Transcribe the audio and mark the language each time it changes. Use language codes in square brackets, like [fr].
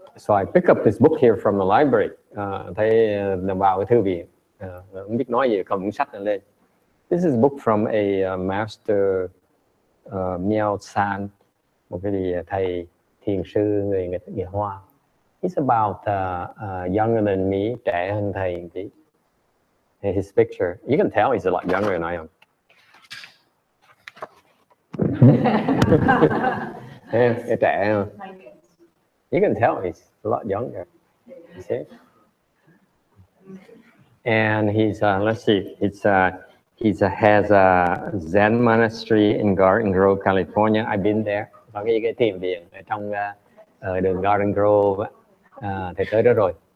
[en] So I pick up this book here from the library. [vi] Thấy đồng bào cái thư viện. Không biết nói gì, cầm cuốn sách lên. [en] This is a book from a master, Miao San. [vi] Một cái gì thầy thiền sư người Hoa. [en] It's about younger than me, [vi] trẻ hơn thầy một tí. [en] His picture, you can tell he's a lot younger than I am. Yeah, [vi] trẻ hơn. [en] You can tell he's a lot younger. You see? And he's has a Zen monastery in Garden Grove, California. I've been there. [vi] Có cái thiền viện ở trong đường Garden Grove, thầy tới đó rồi.